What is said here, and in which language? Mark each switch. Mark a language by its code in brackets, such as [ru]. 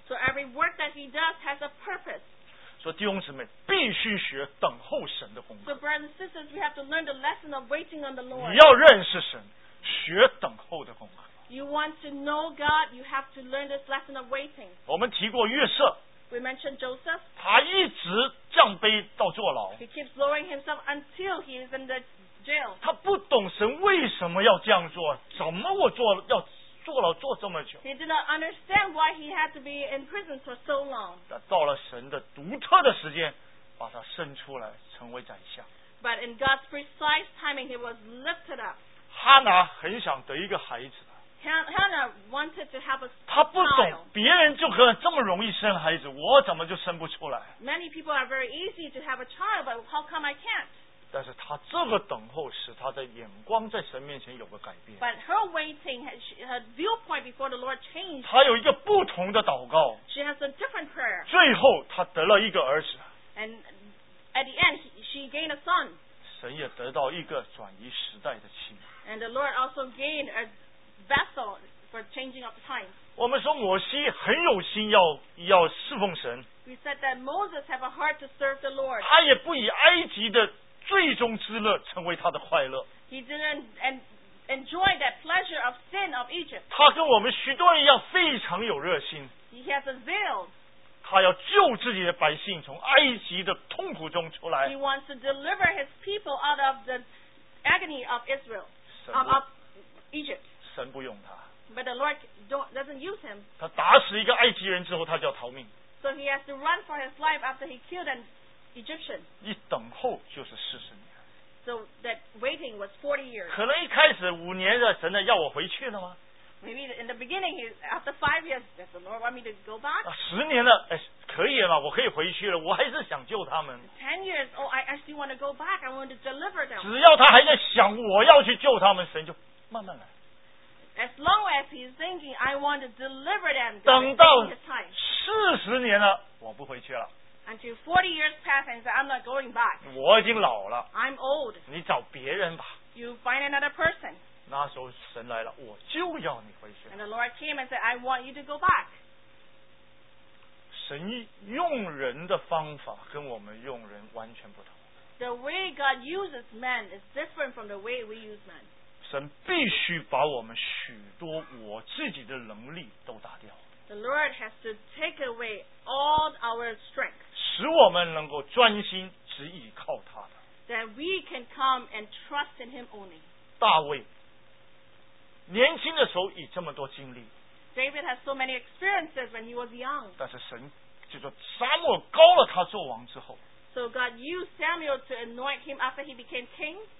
[en] So every work that he does has a purpose. [zh] 说弟兄姊妹必须学等候神的功课。 [en] So brothers and sisters, we have to learn the lesson of waiting on the Lord. [zh] 你要认识神，学等候的功课。 [en] You want to know God, you have to learn this lesson of waiting. [zh] 我们提过约瑟。 [en] We mentioned Joseph. [zh] 他一直降卑到坐牢。 [en] He keeps lowering himself until he is in the jail. [zh] 他不懂神为什么要这样做，怎么我坐要坐牢坐这么久。 [en] He did not understand why he had to be in prison for so long. [zh] 到了神的独特的时间，把他伸出来成为宰相。 [en] But in God's precise timing, he was lifted up. [zh] 哈拿很想得一个孩子。 [en] Hannah wanted to have a child. [zh] 他不懂别人就可这么容易生孩子，我怎么就生不出来？ [en] Many people are very easy to have a child, but how come I can't? [zh] 但是他这个等候使他的眼光在神面前有个改变。 [en] But her waiting, her viewpoint before the Lord changed. [zh] 他有一个不同的祷告。 [en] She has a different prayer. [zh] 最后他得了一个儿子。 [en] And at the end, she gained a son. [zh] 神也得到一个转移时代的器皿。 [en] And the Lord also gained a vessel for changing of time. [zh] 我们说摩西很有心要侍奉神。 [en] We said that Moses have a heart to serve the Lord. [zh] 他也不以埃及的最终之乐成为他的快乐。 [en] He didn't enjoy that pleasure of sin of Egypt. [zh] 他跟我们许多人一样非常有热心。 [en] He has a zeal. [zh] 他要救自己的百姓从埃及的痛苦中出来。 [en] He wants to deliver his people out of the agony of Israel, of Egypt. [zh] 神不用他。 [en] But the Lord doesn't use him. [zh] 他打死一个埃及人之后，他就要逃命。 [en] So he has to run for his life after he killed an Egyptian. [zh] 一等候就是40年。 [en] So that waiting was 40 years. [zh] 可能一开始5年的神呢，要我回去了吗 [en] ？Maybe in the beginning, after 5 years, does the Lord want me to go back? [zh] 10年了，哎，可以了，我可以回去了，我还是想救他们。 [en] 10 years, oh, I actually want to go back. I want to deliver them. [zh] 只要他还在想我要去救他们，神就慢慢来。 [en] As long as he's thinking, I want to deliver them. [zh] 等到40年了，我不回去了。 [en] Until 40 years pass, and say, I'm not going back. [zh] 我已经老了。 [en] I'm old. [zh] 你找别人吧。 [en] You find another person. [zh] 那时候神来了，我就要你回去。 [en] And the Lord came and said, I want you to go back. [zh] 神用人的方法跟我们用人完全不同。 [en] The way God uses men is different from the way we use men. [zh] 神必须把我们许多我自己的能力都打掉。 [en] The Lord has to take away all our strength. [zh] 使我们能够专心只依靠他的。 [en] that we can come and trust in him only. [zh] 大卫年轻的时候已这么多经历。 [en] David has so many experiences when he was young. [zh] 但是神就说撒母耳高了他做王之后。 [en] So God used Samuel to anoint him after he became king.